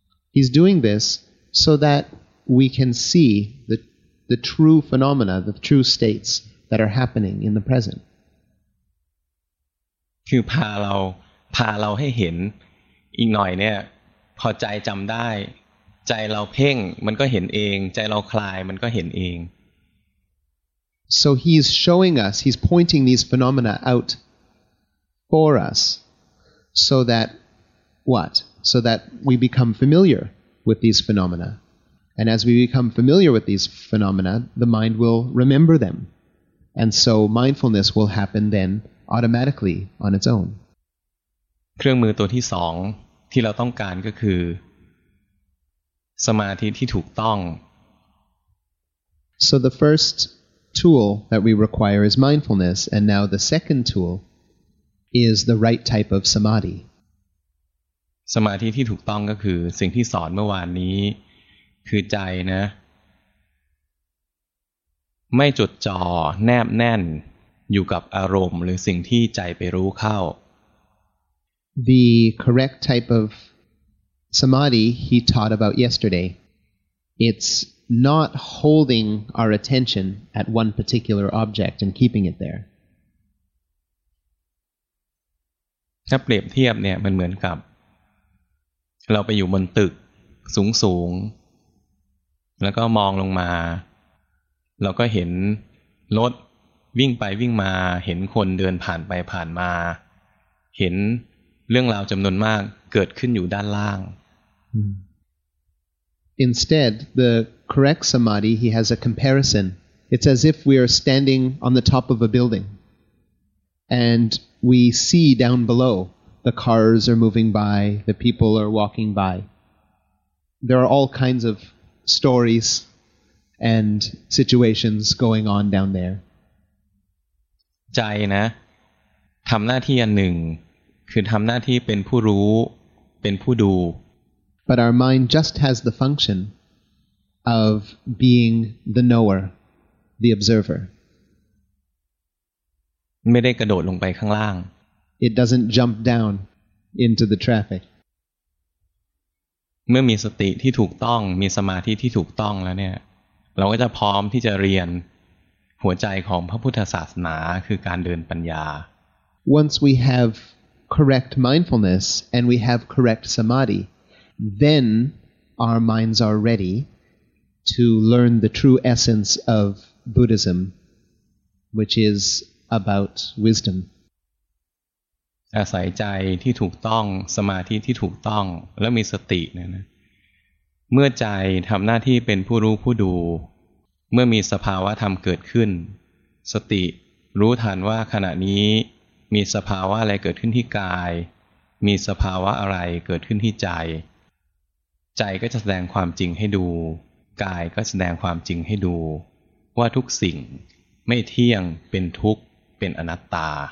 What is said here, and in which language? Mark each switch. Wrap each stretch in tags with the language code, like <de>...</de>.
<en>He's doing this so that we can see the true phenomena, the true states that are happening in the present.</en> <th>คือพาเราให้เห็นอีกหน่อยเนี่ยพอใจจำได้ใจเราเพ่งมันก็เห็นเองใจเราคลายมันก็เห็นเอง</th> <en>So he's showing us, he's pointing these phenomena out for us so that what? So that we become familiar with these phenomena. And as we become familiar with these phenomena, the mind will remember them. And so mindfulness will happen then automatically on its own.</en> <th>เครื่องมือตัวที่สองที่เราต้องการก็คือสมาธิที่ถูกต้อง</th> <en>So the first tool that we require is mindfulness, and now the second tool is the right type of samadhi.</en> <th>สมาธิที่ถูกต้องก็คือสิ่งที่สอนเมื่อวานนี้คือใจนะไม่จดจ่อแนบแน่นอยู่กับอารมณ์หรือสิ่งที่ใจไปรู้เข้า</th> <en>The correct type of samadhi he taught about yesterday it's not holding our attention at one particular object and keeping it there</en> <th>ถ้าเปรียบเทียบเนี่ยมันเหมือนกับเราไปอยู่บนตึกสูงสูงแล้วก็มองลงมาเราก็เห็นรถวิ่งไปวิ่งมาเห็นคนเดินผ่านไปผ่านมาเห็นเรื่องราวจำนวนมาก เกิดขึ้นอยู่ด้านล่าง</th> <en>Instead, the correct samadhi, he has a comparison. It's as if we are standing on the top of a building, and we see down below. The cars are moving by. The people are walking by. There are all kinds of stories and situations going on down there.</en> <th>ใจนะทำหน้าที่อันหนึ่งคือทำหน้าที่เป็นผู้รู้เป็นผู้ดู</th> <en>But our mind just has the function of being the knower, the observer.</en> <th>ไม่ได้กระโดดลงไปข้างล่าง</th> <en>It doesn't jump down into the traffic.</en> <th>เมื่อมีสติที่ถูกต้องมีสมาธิที่ถูกต้องแล้วเนี่ยเราก็จะพร้อมที่จะเรียนหัวใจของพระพุทธศาสนาคือการเดินปัญญา</th> <en>Once we have correct mindfulness and we have correct samadhi, then our minds are ready to learn the true essence of Buddhism, which is about wisdom.</en> <th>อาศัยใจที่ถูกต้องสมาธิที่ถูกต้องและมีสติเนี่ยนะเมื่อใจทำหน้าที่เป็นผู้รู้ผู้ดูเมื่อมีสภาวะธรรมเกิดขึ้นสติรู้ทันว่าขณะนี้มีสภาวะอะไรเกิดขึ้นที่กายมีสภาวะอะไรเกิดขึ้นที่ใจใจก็แสดงความจริงให้ดูกายก็แสดงความจริงให้ดูว่าทุกสิ่งไม่เที่ยงเป็นทุกข์เป็นอนัตตา</th>